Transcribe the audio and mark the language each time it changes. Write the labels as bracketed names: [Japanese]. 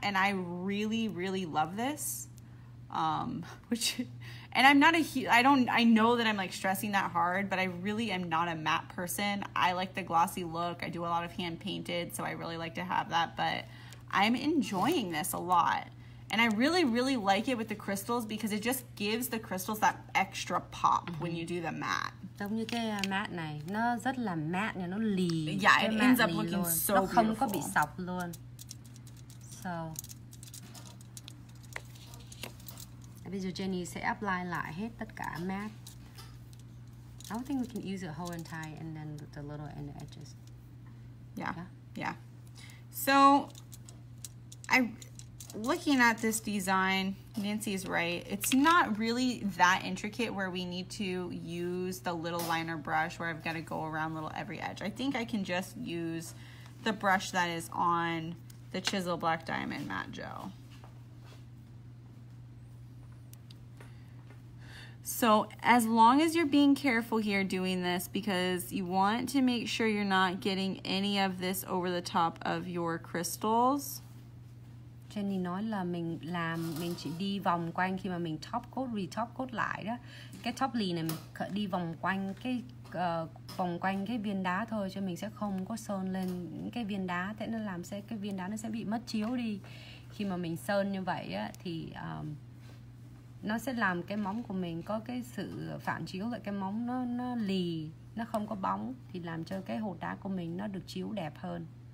[English] And I really, really love this. I know that I'm like stressing that hard, but I really am not a matte person. I like the glossy look. I do a lot of hand painted, so I really like to have that, but I'm enjoying this a lot. And I really, really like it with the crystals because it just gives the crystals that extra pop when you do the matte. [Vietnamese] Giống như cái mat này nó rất là mat, nó lì. [English] Yeah, it ends up looking [Vietnamese] luôn. [English] So beautiful. [Vietnamese] Nó không [English] beautiful. [Vietnamese] Có bị sọc luôn. So. Bây giờ Jenny sẽ apply lại hết tất cả mat. [English] I don't think we can use the whole entire and then the little and the edges. Yeah. So, looking at this design, Nancy's right. It's not really that intricate where we need to use the little liner brush where I've got to go around little every edge. I think I can just use the brush that is on the Chisel Black Diamond Matte Gel. So as long as you're being careful here doing this, because you want to make sure you're not getting any of this over the top of your crystals. [Vietnamese] Jenny nói là mình chỉ đi vòng quanh khi mà mình top coat, re-top coat lại đó. Cái top lì này mình đi vòng quanh cái viên đá thôi, cho mình sẽ không có sơn lên cái viên đá. Thế nên làm sẽ cái viên đá nó sẽ bị mất chiếu đi. Khi mà mình sơn như vậy á, thì nó sẽ làm cái móng của mình có cái sự phản chiếu lại, cái móng nó lì, nó không có bóng, thì làm cho cái hột đá của mình nó được chiếu đẹp hơn.